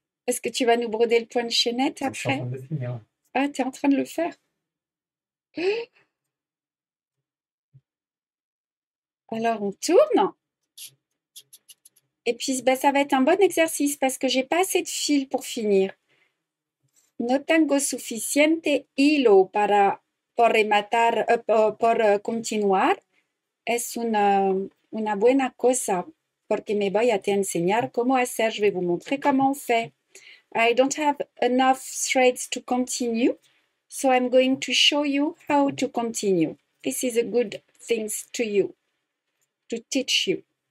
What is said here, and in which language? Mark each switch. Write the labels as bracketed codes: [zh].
[fr] Est-ce que tu vas nous broder le point de chaînette après? Je suis en train de le finir. Ah, tu es en train de le faire. Alors, on tourne. Et puis, ben, ça va être un bon exercice parce que je n'ai pas assez de fil pour finir. [es] No tengo suficiente hilo para por rematar, por continuar. Es una buena cosa porque me voy a te enseñar cómo hacer. [fr] Je vais vous montrer comment on fait. [en] I don't have enough threads to continue, so I'm going to show you how to continue. This is a good thing to you, to teach you.